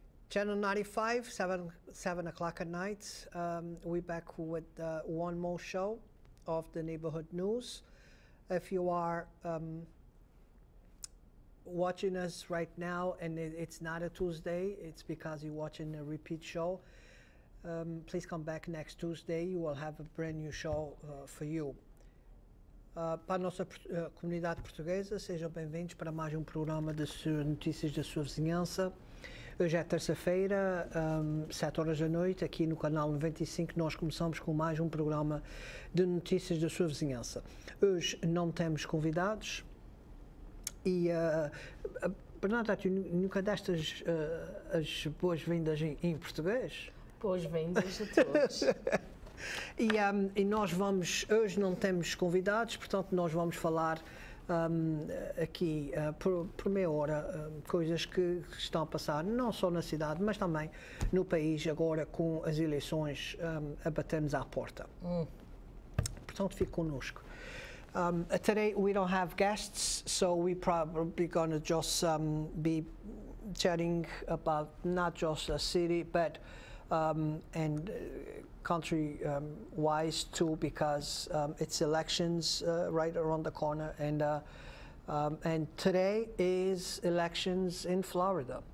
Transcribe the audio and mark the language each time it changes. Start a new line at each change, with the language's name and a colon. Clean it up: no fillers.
English: Channel 95, 7 o'clock at night. We're back with one more show of the Neighborhood News. If you are watching us right now and it's not a Tuesday, it's because you're watching a repeat show. Please come back next Tuesday. You will have a brand new show for you.
Portuguese: Para a nossa comunidade portuguesa, sejam bem-vindos para mais um programa de notícias da sua vizinhança. Hoje é terça-feira, 7 horas da noite, aqui no canal 95, nós começamos com mais um programa de notícias da sua vizinhança. Hoje não temos convidados e, Bernadette, nunca deste as boas-vindas em português? Boas-vindas a todos. E nós vamos, hoje não temos convidados, portanto nós vamos falar aqui por meia hora coisas que estão a passar, não só na cidade, mas também no país agora com as eleições a bater-nos à porta. Portanto, fique connosco.
English: Today we don't have guests, so we probably gonna just be chatting about not just a city, but and country wise too, because it's elections right around the corner, and today is elections in Florida.